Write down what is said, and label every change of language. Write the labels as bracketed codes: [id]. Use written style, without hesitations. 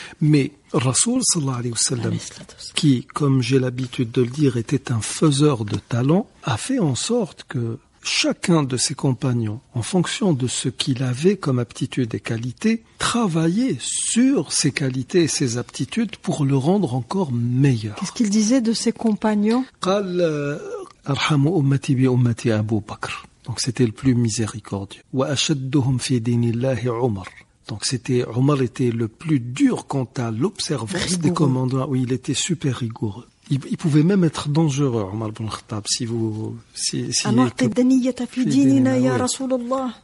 [fr] Mais Rasoul sallallahu alayhi wa sallam, qui, comme j'ai l'habitude de le dire, était un faiseur de talents, a fait en sorte que chacun de ses compagnons, en fonction de ce qu'il avait comme aptitude et qualité, travaillait sur ses qualités et ses aptitudes pour le rendre encore meilleur. Qu'est-ce qu'il disait de ses compagnons ? [ar] قال أرحم أمتي بأمتي أبو بكر. [fr] Donc c'était le plus miséricordieux. [ar] وأشدهم في دين الله عمر. [fr] Donc c'était Omar était le plus dur quant à l'observance rigoureux. Des commandements. Oui, il était super rigoureux. Il pouvait même être dangereux, Omar ibn Khattab, si vous... Si [ar] Amar tadaniyata fi dinina, ya Rasulallah.